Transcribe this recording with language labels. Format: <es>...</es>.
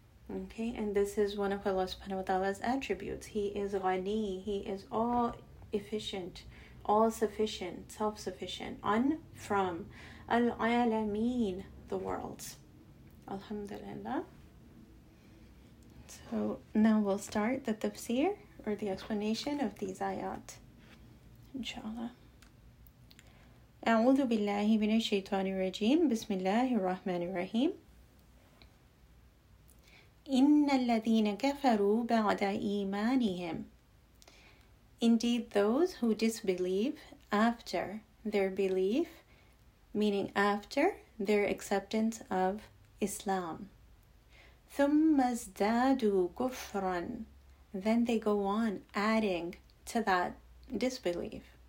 <en>Okay, and this is one of Allah subhanahu wa ta'ala's attributes. He is ghani, he is all-efficient, all-sufficient, self-sufficient. An, from, al-alameen, the worlds. Alhamdulillah. So, now we'll start the tafsir, or the explanation of these ayat. Inshallah.</en> <ar>أعوذ بالله من الشيطان الرجيم بسم الله الرحمن الرحيم إن الذين كفروا بعد إيمانهم.</ar> <en>Indeed, those who disbelieve after their belief, meaning after their acceptance of Islam.</en> <ar>ثم ازدادوا كفرا.</ar> <en>Then they go on adding to that disbelief.</en>